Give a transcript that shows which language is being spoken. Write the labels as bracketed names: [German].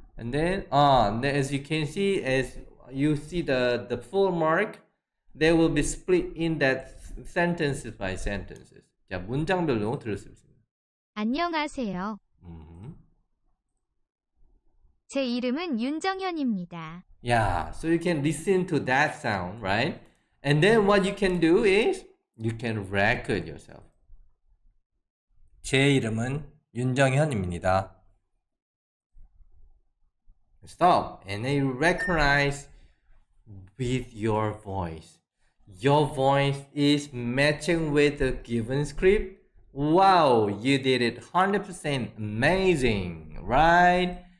[English] And then, as you can see, as you see the full mark, they will be split in that sentences by sentences. [Korean] 자, 문장별로 들었습니다. 안녕하세요. 제 이름은 윤정현입니다. [English] Yeah, so you can listen to that sound, right? And then what you can do is, you can record yourself. [Korean] 제 이름은 윤정현입니다. [English] Stop and then you recognize with your voice. Your voice is matching with the given script. Wow, you did it 100% amazing, right?